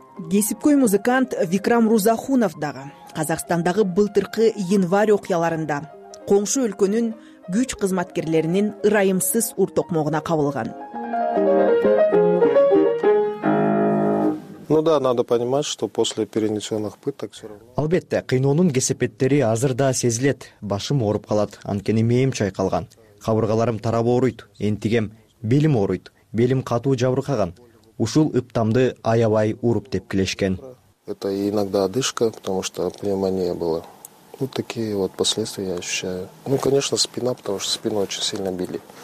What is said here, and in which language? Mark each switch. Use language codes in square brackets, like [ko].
[ky] Кесипкөй музыкант Викрам Рузахунов дагы Казакстандагы былтыркы январь окуяларында коңшу өлкөнүн күч кызматкерлеринин ырайымсыз уртокмогуна кабылган. [ru] Ну да, надо понимать, что после перенесенных пыток все равно. [ky] Албетте, кыйноонун кесепеттери азырда сезилет. Башым ооруп калат, анткени мээм чайкалган. Кабыргаларым тарап ооруйт, энтигем, белим ооруйт, белим катуу жабыркаган. Ушул ыптамды аябай уруп тепкилешкен. [ru] Это иногда одышка, потому что пневмония была. Ну такие вот последствия я ощущаю. Ну конечно спина, потому что спину очень сильно били.